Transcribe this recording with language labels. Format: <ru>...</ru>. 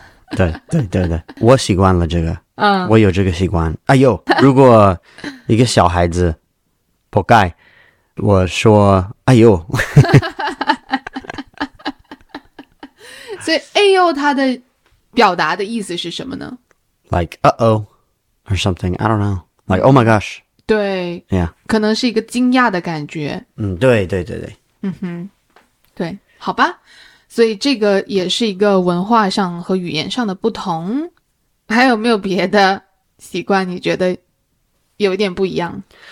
<zh>对对对对，我习惯了这个。嗯，我有这个习惯。哎呦，如果一个小孩子破盖，我说哎呦所以哎呦他的表达的意思是什么呢？</zh> <en>Like uh-oh or something, I don't know. Like oh my gosh.</en> <zh>对、 yeah. 可能是一个惊讶的感觉。嗯，对对对对。嗯哼，对，好吧。所以这个也是一个文化上和语言上的不同。还有没有别的习惯你觉得有一点不一样？</zh>